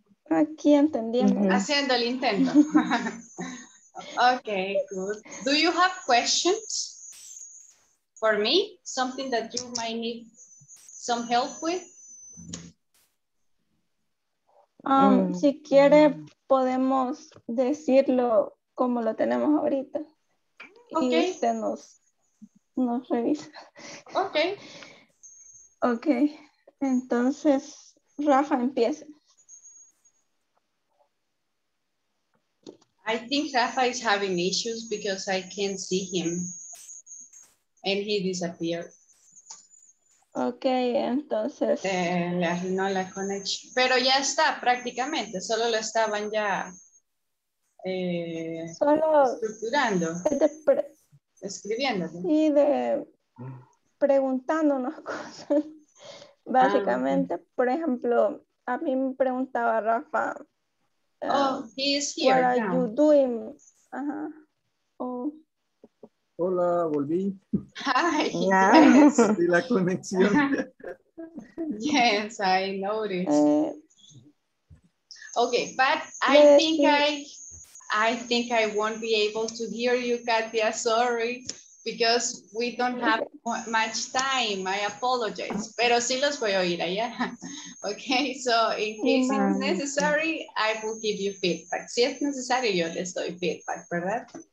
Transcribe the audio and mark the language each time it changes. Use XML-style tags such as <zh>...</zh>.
<es>Aquí entendiendo. Haciendo el intento.</es> <en>Okay, good. Do you have questions for me? Something that you might need some help with?</en> <es>Si quiere, podemos decirlo como lo tenemos ahorita.</es> <en>Okay.</en> <es>Y usted nos revisa.</es> <en>Okay.</en> <es>Okay. Entonces, Rafa, empieza.</es> <en>I think Rafa is having issues because I can't see him and he disappeared.</en> <es>Okay, entonces. Le arruinó la conexión. Pero ya está prácticamente, solo lo estaban ya solo estructurando. Escribiéndolo. Y de preguntándonos cosas, básicamente. Ah. Por ejemplo, a mí me preguntaba Rafa.</es> <en>Oh, he is here. What are you doing?</en> <es>Hola, volví.</es> <en>Hi.</en> <es>Yes. La conexión.</es> <en>Yes, I noticed. Okay, but I think I think I won't be able to hear you, Katia. Sorry, because we don't have much time. I apologize.</en> <es>Pero sí los voy a oír allá.</es> <en>Okay, so in case it's necessary, I will give you feedback.</en> <es>Si es necesario, yo les doy feedback, ¿verdad?</es>